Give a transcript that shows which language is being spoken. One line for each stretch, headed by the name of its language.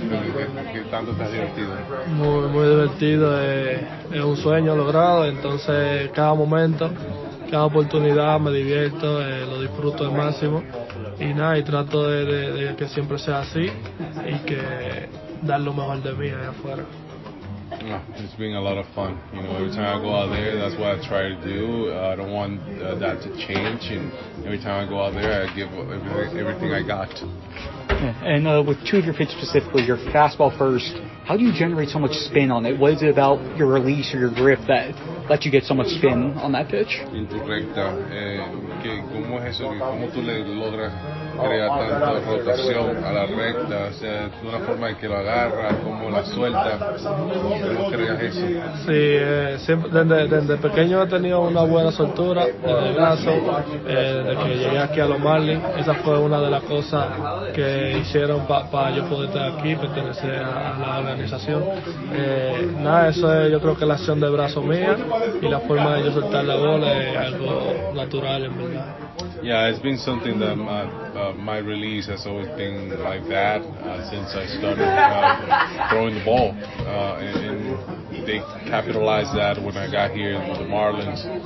Spanish: Muy divertido, es un sueño logrado, entonces cada momento, cada oportunidad me divierto, lo disfruto al máximo, y nada, y trato de que siempre sea así y que dar lo mejor de mí allá afuera.
English: It's been a lot of fun, you know. Every time I go out there, that's what I try to do. I don't want that to change. And every time I go out there, I give everything I got. And with two of your pitches specifically, your fastball first, how do you generate so much spin on it? What is it about your release or your grip that lets you get so much spin on that pitch?
Spanish: Incorrecto. ¿Cómo es eso? ¿Cómo tú le logras crear tanta rotación a la recta? O sea, ¿de una forma en que lo agarra, cómo la suelta? ¿Cómo creas eso? Sí, desde pequeño he tenido una buena soltura en el brazo, desde que llegué aquí a los Marlins. Esa fue una de las cosas que hicieron para pa yo poder estar aquí, pertenecer a la organización. Eso es, yo creo que la acción de brazo mía y la forma de yo soltar la bola es algo natural en verdad.
English: Yeah, it's been something that my release has always been like that since I started throwing the ball. And they capitalized that when I got here with the Marlins.